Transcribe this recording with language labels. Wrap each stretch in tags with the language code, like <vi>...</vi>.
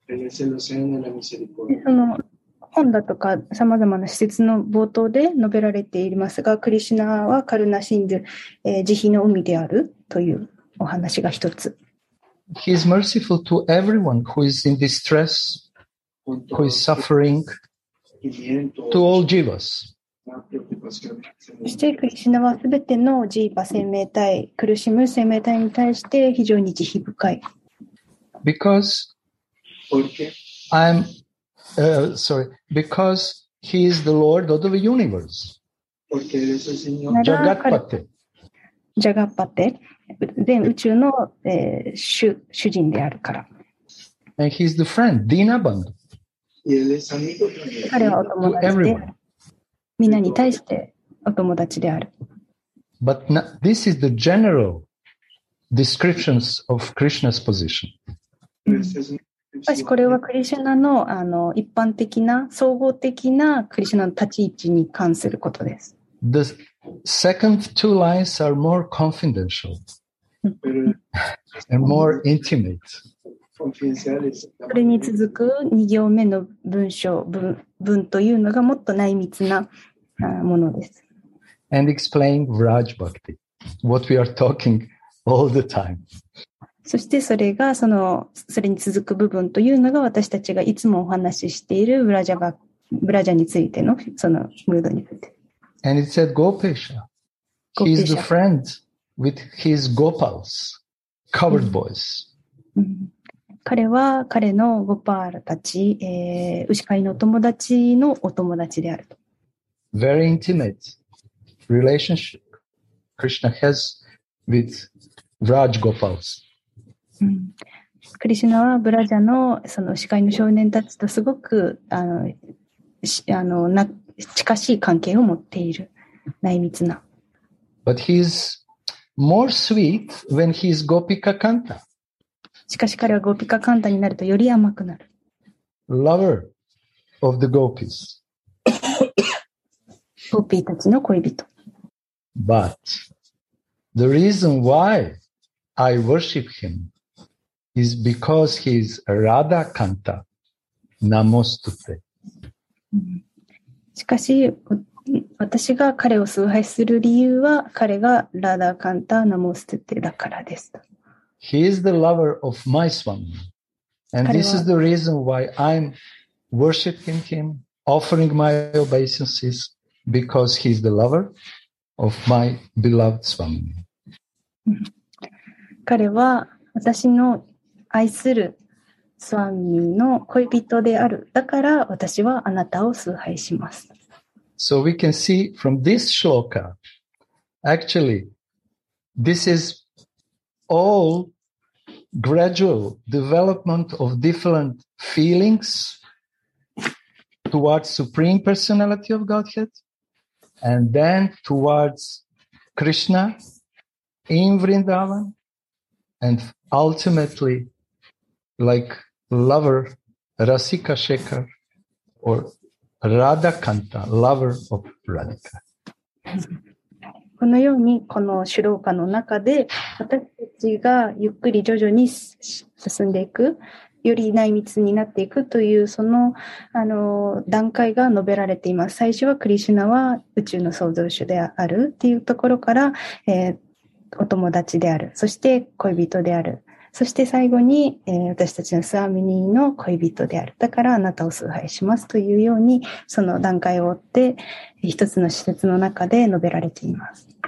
<ja>その本だとか様々な施設の冒頭で述べられていますが、クリシナはカルナシンドゥ、慈悲の海であるというお話が一つ。</ja> <en>He is merciful to everyone who is in distress. Who is suffering to all jivas.</en> <ja>してクリシナはすべてのジーバ生命体、苦しむ生命体に対して非常に慈悲深い。</ja> <en>Because I'm sorry, because he is the Lord of the universe.</en> <ja>ジャガッパテ。ジャガッパテ、全宇宙の、主人であるから。</ja> <en>And he's the friend, Dinaband. He is a friend to everyone.</en> <ja>みんなに対してお友達である。</ja> <en>But now, this is the general descriptions of Krishna's position.</en> <ja>しかしこれはクリシュナの、あの、一般的な、総合的なクリシュナの立ち位置に関することです。</ja> <en>The second two lines are more confidential and more intimate.</en> <ja>それに続く2行目の文章 文というのがもっと内密なものです。</ja> <en>And explain Vraj Bhakti, what we are talking all the time.</en> <ja>そしてそれがそのそれに続く部分というのが私たちがいつもお話ししているブラジャについてのそのムードについて。</ja> <en>And it said Gopesha, he is the friend with his Gopals, covered boys.</en> <ja>彼は彼のゴパールたち、牛飼いのお友達のお友達であると。</ja> <en>Very intimate relationship Krishna has with Vraj Gopals.</en> <ja>クリシュナはブラジャのその牛飼いの少年たちとすごくな近しい関係を持っている内密な。</ja> <en>But he's more sweet when he's Gopika Kanta.</en> <ja>しかし彼はゴピカカンタになるとより甘くなる。</ja> <en>Lover of the gopis.</en> <ja>ゴピーたちの恋人。</ja> <en>But the reason why I worship him is because he is Radha Kanta Namostute.</en> <ja>しかし私が彼を崇拝する理由は彼がラダカンタナモステテだからです。</ja> <en>He is the lover of my Swami. And this is the reason why I'm worshipping him, offering my obeisances, because he's the lover of my beloved Swami.</en> <ja>彼は私の愛するスワミの恋人である。だから私はあなたを崇拝します。</ja> <en>So we can see from this shloka, actually, this is all gradual development of different feelings towards Supreme Personality of Godhead and then towards Krishna in Vrindavan and ultimately like lover Rasika Shekhar or Radha Kanta, lover of Radhika.</en> <ja>このようにこの主老歌の中で私たちがゆっくり徐々に進んでいく、より内密になっていくというその、段階が述べられています。最初はクリシュナは宇宙の創造主であるというところから、お友達である、そして恋人である、そして最後に、私たちのスワミニーの恋人である、だからあなたを崇拝しますというようにその段階を追って一つの施設の中で述べられています。</ja>